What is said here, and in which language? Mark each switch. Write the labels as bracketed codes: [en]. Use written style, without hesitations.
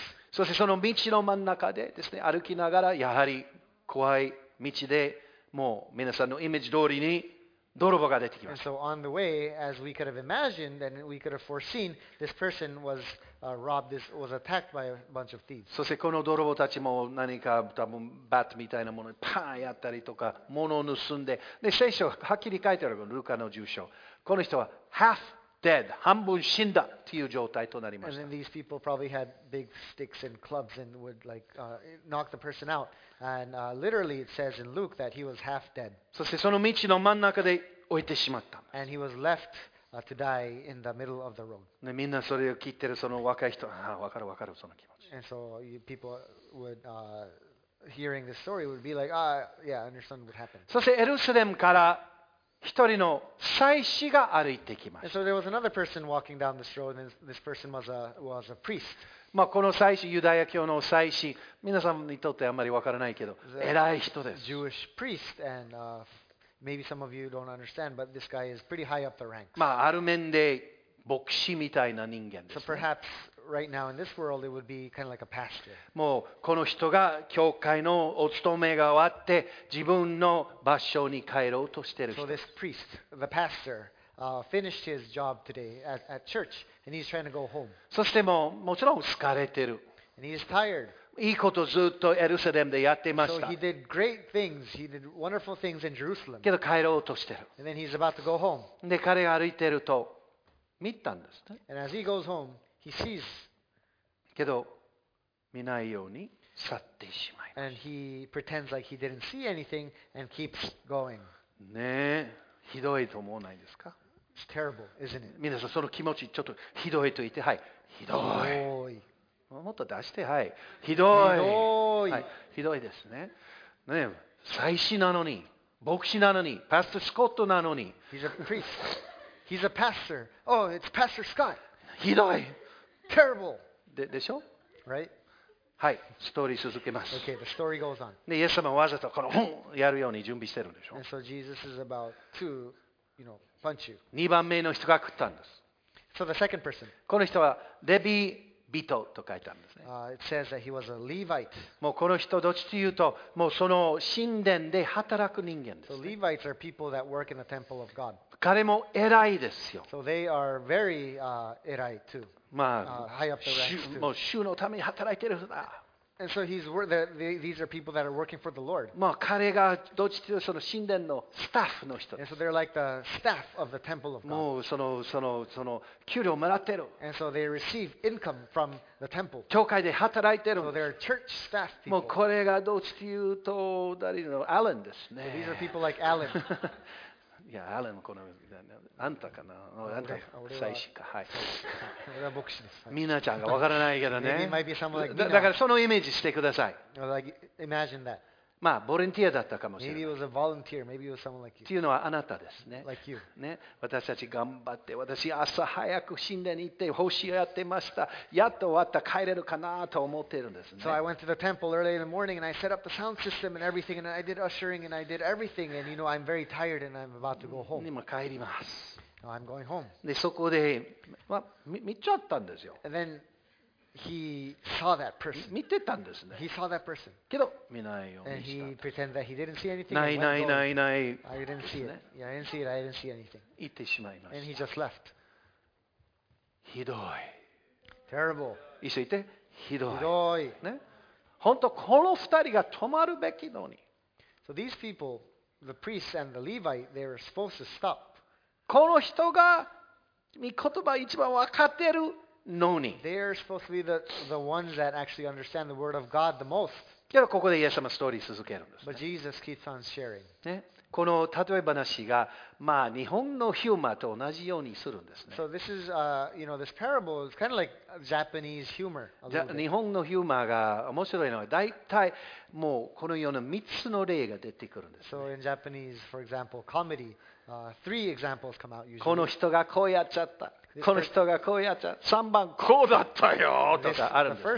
[ja] そしてその道の真ん中でですね、歩きながらやはり怖い道で、もう皆さんのイメージ通りに泥棒が出てきます。 [en] And so on the way, as we could have imagined and we could have foreseen, this person was. Robbed this was attacked by a bunch of thieves. [ja] そしてこの泥棒たちも何か多分バットみたいなものにパーンやったりとか物を盗んで、で聖書はっきり書いてあるこのルカの10章、この人は [en] half dead [ja] 半分死んだという状態となりました。 [en] And then these people probably had big sticks and clubs and would like knock the person out. And literally it says in Luke that he was half dead. [ja] そしてその道の真ん中で置いてしまった。 [en] And he was left. To die in the middle of the road. [ja] ね、みんなそれを聞いてるその若い人、ああ、分かる分かるその気持ち。 [en] And so people would hearing this story would be like, ah, yeah, understand what happened. [ja] そしてエルサレムから一人の祭司が歩いてきました。 [en] And so there was another person walking down this road, and this person was a priest. [ja] まあこの祭司、ユダヤ教の祭司、皆さんにとってあんまり分からないけど、偉い人です。 [en] Jewish priest and Maybe some of you don't understand, but this guy is pretty high up the ranks. [ja] まあ、ある面で牧師みたいな人間ですね。 [en] So perhaps right now in this world it would be kind of like a pastor. [ja] もうこの人が教会のお勤めが終わって自分の場所に帰ろうとしている人。 [en] So this priest, the pastor,finished his job today at church, and he's trying to go home. [ja] そしてもうもちろん疲れてる。 [en] And he's tired. [ja] いいことずっとエルサレムでやってました。 [en] So he did great things. He did wonderful things in Jerusalem. [ja] けど帰ろうとしてる。 [en] And then he's about to go home. [ja] で彼が歩いてると見たんですね。 [en] And as he goes home, he sees. [ja] けど見ないように去ってしまいました。 [en] And he pretends like he didn't see anything and keeps going. [ja] ねえ、ひどいと思わないですか？ [en] It's terrible, isn't it? [ja] 皆さんその気持ちちょっとひどいと言って、はい、ひどい。もっと出して、はい、ひどい、ひどい、はい、ひどいですね。ね、祭司なのに、牧師なのに、パスタースコットなのに、 [en] He's a priest. He's a pastor. Oh, it's Pastor Scott. [ja] ひどい、 [en] terrible. [ja] でしょ [en] ？Right? [ja] はい、ストーリー続けます。 [en] Okay, the story goes on. [ja] で、イエス様はわざとこのふんやるように準備してるんでしょ [en] ？And so Jesus is about to, you know, punch you. [ja] 二番目の人が食ったんです。 [en] So the second person. [ja] この人はレビー。ビトと書いてあるんですね。 [en] It says that he was a Levite. [ja] もうこの人どっちというと、もうその神殿で働く人間です、ね。 [en] So Levites are people that work in the temple of God. [ja] 彼も偉いですよ。 [en] So they are very 偉い too. [ja] まあ、 [en] high up the ranks too. [ja] もう主のために働いてるんだ。 [en] And so he's these are people that are working for the Lord. [ja] まあ彼がどっちというとその神殿のスタッフの人です。 [en] And so they're like the staff of the temple of God. [ja] もうその給料もらってる。 [en] And so they receive income from the temple. [ja] 教会で働いてる。 [en] So they're church staff people. [ja] もうこれがどっちというと誰のアレンですね。 [en] So、these are people like Alan. [ja] いやアレンこのあんたかな、あんた祭司か、はい、俺は牧師です、はい、みんなちゃんがわからないけどね、 [en] like、 [ja] だからそのイメージしてください、 [en] like, imagine that. [ja] まあボランティアだったかもしれない、 [en] maybe it was a volunteer, maybe it was someone like you. [ja] っていうのはあなたです ね、 [en] like、you. [ja] ね、私たち頑張って、私朝早く神殿に行って奉仕をやってました、やっと終わった、帰れるかなと思ってるんですね。 [en] So I went to the temple early in the morning and I set up the sound system and everything and I did ushering and I did everything and you know I'm very tired and I'm about to go home. [ja] 今帰ります。 [en] Now I'm going home. [ja] でそこで、まあ、見ちゃったんですよ。 [en] And then he saw that person. [ja] 見てたんですね。 [en] He saw that person. [ja] けど見ないようにした。 [en] And he pretended that he didn't see anything. [ja] ないないないない。 [en] I didn't see it. Yeah, I didn't see it. I didn't see anything. [ja] 行ってしまいました。 [en] And he just left. [ja] ひどい。 [en] Terrible. [ja] 一緒にいて。ひどい。ひどい。ね。本当この二人が止まるべきのに。 [en] So these people, the priests and the Levite, they were supposed to stop. [ja] この人が御言葉一番分かってるのに。 [en] They are supposed to be the ones that actually understand the word of God the most. [ja] けどここでイエス様ストーリー続けるんですね。 [en] But Jesus keeps on sharing. [ja] ね、この例え話がまあ日本のヒューマーと同じようにするんですね。 [en] So this is you know this parable is kind of like Japanese humor. [ja] 日本のヒューマーが面白いのはだいたいもうこのような3つの例が出てくるんですね。 [en] So in Japanese, for example, comedy. Three examples come out usually. [ja] この人がこうやっちゃった。この人がこうやっちゃった。 3番こうだったよとかあるんですね。